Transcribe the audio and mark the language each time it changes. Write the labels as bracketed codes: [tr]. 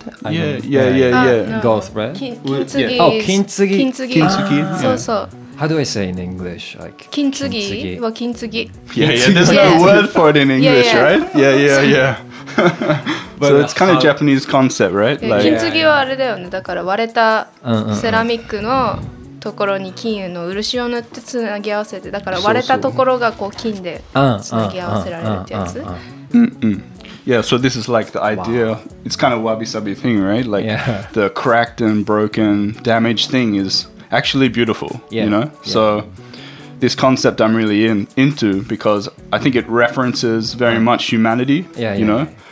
[en] Kintsugi. Kintsugi. Kintsugi. So. How do I say in English? Like kintsugi. Well, kintsugi. There's no word for it in English, right? Yeah. But so it's kind of Japanese concept, right? [ja] Like, kintsugi はあれだよね。だから割れたセラミックのところに金の漆を塗ってつなぎ合わせて、だから割れたところがこう金でつなぎ合わせられるってやつ。 [en] Yeah, so this is like the idea. Wow. It's kind of a wabi-sabi thing, right? Like the cracked and broken, damaged thing is actually beautiful, you know? Yeah. So this concept I'm really into because I think it references very much humanity, yeah, you know?